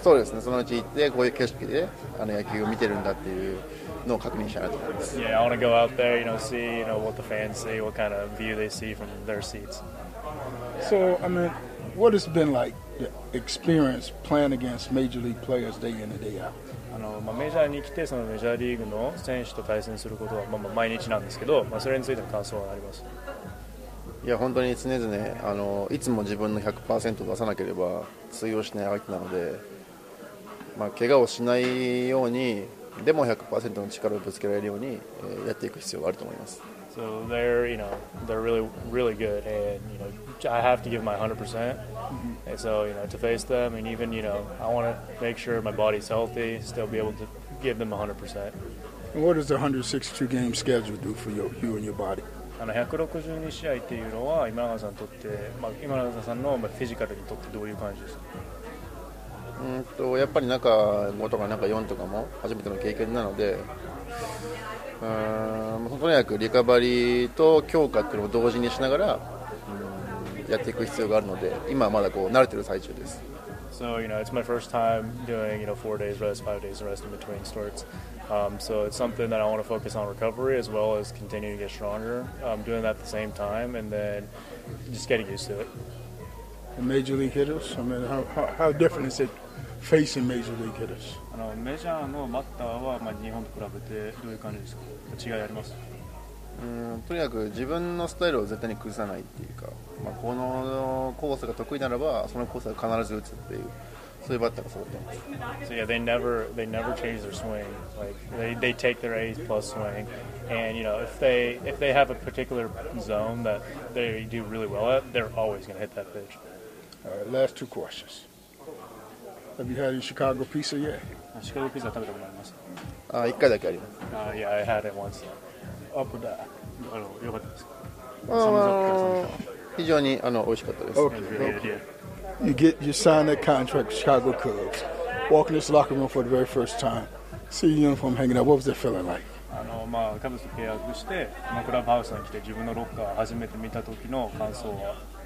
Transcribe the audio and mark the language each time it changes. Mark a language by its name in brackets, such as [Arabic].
[Japanese] そうですね。そのうち行って、こういう景色で野球を見てるんだっていうのを確認したいと思います。 [English] Yeah, I want to go out there, you know, see, you know, what the fans see, what kind of view they see from their seats. So, I mean, what has been like the experience playing against major league players day in and day out? [Japanese] メジャーに来てそのメジャーリーグの選手と対戦することは毎日なんですけど、それについての感想はあります。いや本当に常々いつも自分の 100% 出さなければ通用しない相手なので、怪我をしないようにでも 100% の力をぶつけられるように、やっていく必要があると思います。 [English] So they're, you know, they're really, really good, and you know, I have to give my 100%. And so, you know, to face them, and even, you know, I want to make sure my body's healthy, still be able to give them 100%. And what does the 162 game schedule do for you and your body? [Japanese] 162試合っていうのは今永さんにとって、今永さんのフィジカルにとってどういう感じですか？やっぱり中5とか中4とかも初めての経験なので、とにかくリカバリーと強化っていうのを同時にしながら、やっていく必要があるので、今はまだこう慣れてる最中です。 [English] So, you know, it's my first time doing, you know, 4 days rest, 5 days rest in between starts. So it's something that I want to focus on recovery as well as continue to get stronger. Doing that at the same time and then just getting used to it. And major league hitters, I mean, how different is it facing major league hitters? [Japanese] メジャーのバッターは日本と比べてどういう感じですか？違いあります？とにかく自分のスタイルを絶対に崩さないっていうか、このコースが得意ならばそのコースは必ず打つっていう、そういうバッターが揃ってます。 [English] So yeah, they never change their swing. Like they take their A's plus swing, and you know, if they have a particular zone that they do really well at, they're always going to hit that pitch. Alright, last two questions. Have you had any Chicago pizza yet? [Japanese] Chicago pizza 食べたことあります？一回だけあります。 [English] Yeah, I had it once. Up with that. [Japanese] よかったですか？非常に美味しかったです。 [English] Okay, really good, yeah. You signed that contract with Chicago Cubs. Walking this locker room for the very first time. See your uniform hanging up. What was that feeling like? [Japanese] カブスと契約して、クラブハウスに来て自分のロッカーを初めて見た時の感想は？